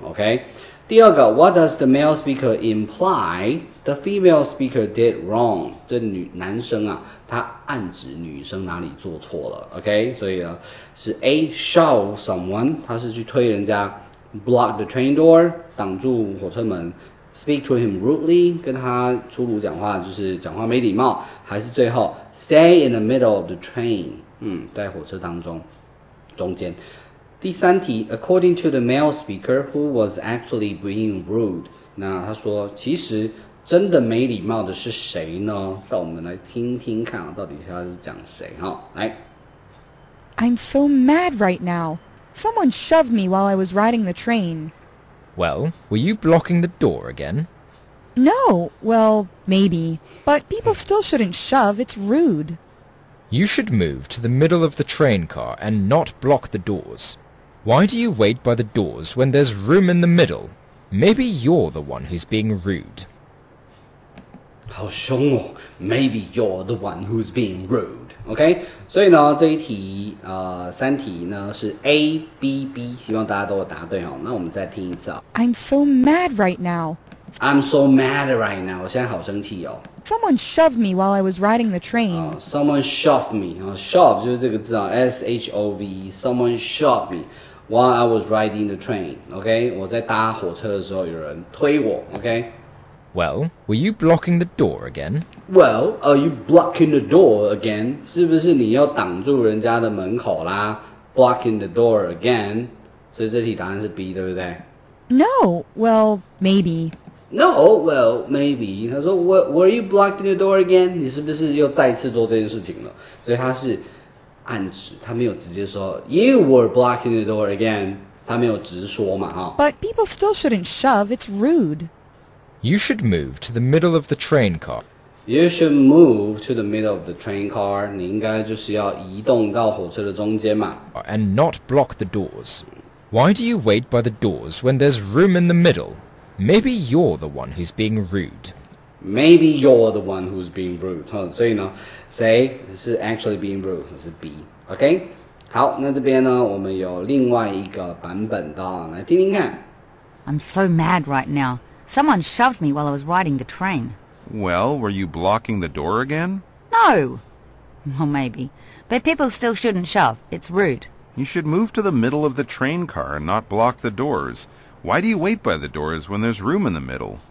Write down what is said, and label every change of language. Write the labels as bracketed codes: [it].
[en] OK， [zh] 第二个， [en] What does the male speaker imply the female speaker did wrong？ [zh] 这男生啊，他暗指女生哪里做错了。 OK， 所以呢是 A. [en] Shove someone， [zh] 他是去推人家。 [en] Block the train door， [zh] 挡住火车门。 [en] Speak to him rudely， [zh] 跟他粗鲁讲话，就是讲话没礼貌。还是最后 [en] Stay in the middle of the train， [zh] 在火车当中中间。 [en] 第三题， According to the male speaker who was actually being rude， [zh] 那他说其实真的没礼貌的是谁呢？让我们来听听看啊，到底他是讲谁哈？来 [en] ，I'm so mad right now. Someone shoved me while I was riding the train. Well, were you blocking the door again? No. Well, maybe, but people still shouldn't shove. It's rude. You should move to the middle of the train car and not block the doors. Why do you wait by the doors when there's room in the middle? Maybe you're the one who's being rude. [zh] 好凶哦 [en] ，Maybe you're the one who's being rude. [zh] OK， 所以呢，这一题三题呢是 A B B， 希望大家都有答对哦。那我们再听一次啊、哦。 [en] I'm so mad right now. I'm so mad right now. [zh] 我现在好生气哦。 [en] Someone shoved me while I was riding the train. Someone shoved me. Shove [zh] 就是这个字啊、哦、， [en] S H O V. Someone shoved me while I was riding the train. [zh] OK， 我在搭火车的时候，有人推我。 [en] OK。 Well, were you blocking the door again? Well, are you blocking the door again? [zh] 是不是你又挡住人家的门口啦 [en] ？Blocking the door again. [zh] 所以这题答案是 B， 对不对 [en] ？No. Well, maybe. No. Well, maybe. [zh] 他说 [en] ，Were you blocking the door again? [zh] 你是不是又再次做这件事情了？所以他是暗指，他没有直接说 ， [en] You were blocking the door again. [zh] 他没有直说嘛，哈。 [en] But people still shouldn't shove. It's rude. You should move to the middle of the train car. You should move to the middle of the train car. [zh] 你应该就是要移动到火车的中间嘛。 [en] And not block the doors. Why do you wait by the doors when there's room in the middle? Maybe you're the one who's being rude. Maybe you're the one who's being rude. [zh] 所以呢，谁是 [en] actually being rude 是 B. OK. [zh] 好，那这边呢，我们有另外一个版本的，来听听看。 [en] I'm so mad right now. Someone shoved me while I was riding the train. Well, were you blocking the door again? No. Well, maybe. But people still shouldn't shove. It's rude. You should move to the middle of the train car and not block the doors. Why do you wait by the doors when there's room in the middle?